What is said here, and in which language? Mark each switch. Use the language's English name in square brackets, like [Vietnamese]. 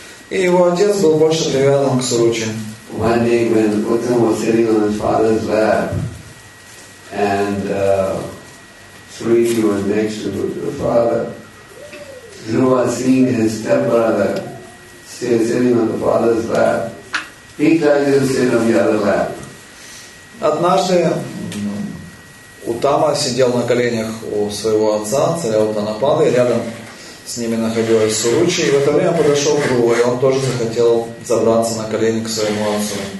[Russian] И его отец был больше привязан к Суручи. [English] One day when Uttam was sitting on his father's lap, and Suruchi was next to the father, Dhruva, seeing his stepbrother sitting on the father's lap, he tried to sit on the other lap. [Russian] Однажды Утама сидел на коленях у своего отца, царя Уттанапады, рядом с ними находилась Суручи, и в это время подошел Друва, и он тоже захотел забраться на колени к своему отцу.